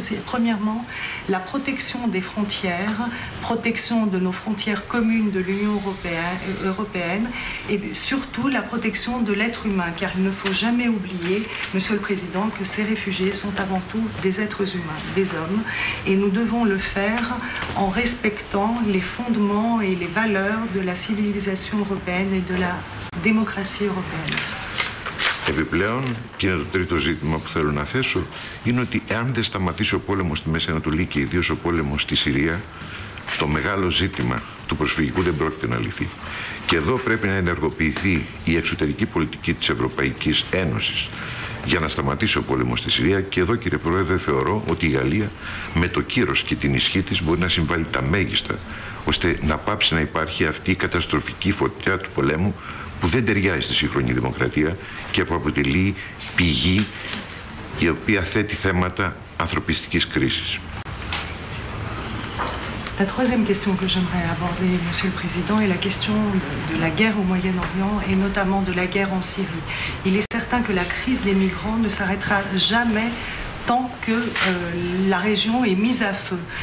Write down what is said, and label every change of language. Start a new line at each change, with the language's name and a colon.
French: Premièrement, la protection des frontières, protection de nos frontières communes de l'Union européenne et surtout la protection de l'être humain, car il ne faut jamais oublier, Monsieur le Président, que ces réfugiés sont avant tout des êtres humains, des hommes, et nous devons le faire en respectant les fondements et les valeurs de la civilisation européenne et de la démocratie européenne.
Greek: Επιπλέον, και είναι το τρίτο ζήτημα που θέλω να θέσω, είναι ότι αν δεν σταματήσει ο πόλεμος στη Μέση Ανατολή και ιδίως ο πόλεμος στη Συρία, το μεγάλο ζήτημα του προσφυγικού δεν πρόκειται να λυθεί. Και εδώ πρέπει να ενεργοποιηθεί η εξωτερική πολιτική της Ευρωπαϊκής Ένωσης για να σταματήσει ο πόλεμος στη Συρία. Και εδώ, κύριε Πρόεδρε, θεωρώ ότι η Γαλλία με το κύρος και την ισχύ της μπορεί να συμβάλει τα μέγιστα ώστε να πάψει να υπάρχει αυτή η καταστροφική φωτιά του πολέμου που δεν ταιριάζει στη σύγχρονη δημοκρατία και που αποτελεί πηγή η οποία θέτει θέματα ανθρωπιστικής κρίσης.
French: La troisième question que j'aimerais aborder, Monsieur le Président, est la question de la guerre au Moyen-Orient et notamment de la guerre en Syrie. Il est certain que la crise des migrants ne s'arrêtera jamais tant que la région est mise à feu.